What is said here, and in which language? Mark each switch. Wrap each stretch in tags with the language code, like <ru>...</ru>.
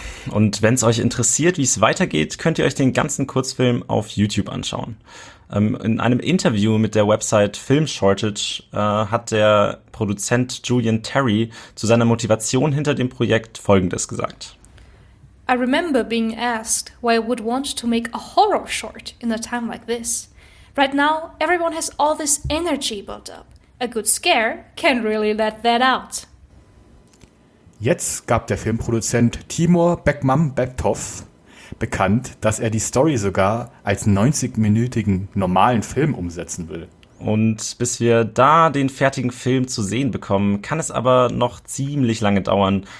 <de>Und wenn es euch interessiert, wie es weitergeht, könnt ihr euch den ganzen Kurzfilm auf YouTube anschauen. In einem Interview mit der Website Film Shortage hat der Produzent Julian Terry zu seiner Motivation hinter dem Projekt Folgendes gesagt.</de> <en>I remember being asked why I would want to make a horror short in a time like this. Right now, everyone has all this energy built up. A good scare can really let that out.</en> <de>Jetzt gab der Filmproduzent Timur Bekmambetov bekannt, dass er die Story sogar als 90-minütigen normalen Film umsetzen will. Und bis wir da den fertigen Film zu sehen bekommen, kann es aber noch ziemlich lange dauern.</de>